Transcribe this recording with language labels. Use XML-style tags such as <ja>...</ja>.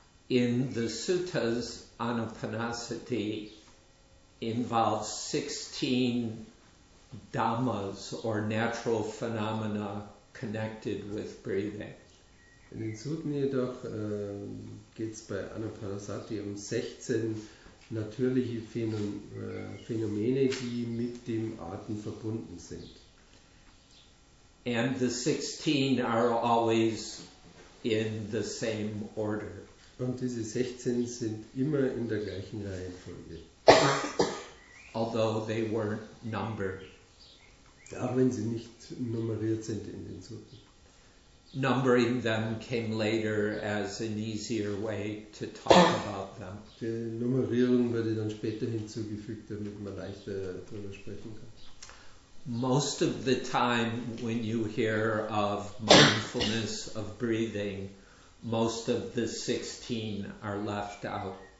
<en>In the suttas, Anapanasati involves 16 dhammas or natural phenomena connected with breathing.</en> <de>In den Sutten jedoch geht es bei Anapanasati um 16 natürliche Phänomene, die mit dem Atem verbunden sind.</de> <en>And the 16 are always in the same order.</en> <de>Und diese 16 sind immer in der gleichen Reihenfolge.</de> <en>Although they weren't numbered.</en> <de>Auch wenn sie nicht nummeriert sind in den Sutten.</de> <en>Numbering them came later as an easier way to talk about them.</en> <de>Die Nummerierung wurde dann später hinzugefügt, damit man leichter darüber sprechen kann.</de> <en>Most of the time when you hear of mindfulness of breathing, most of the 16 are left out.</en>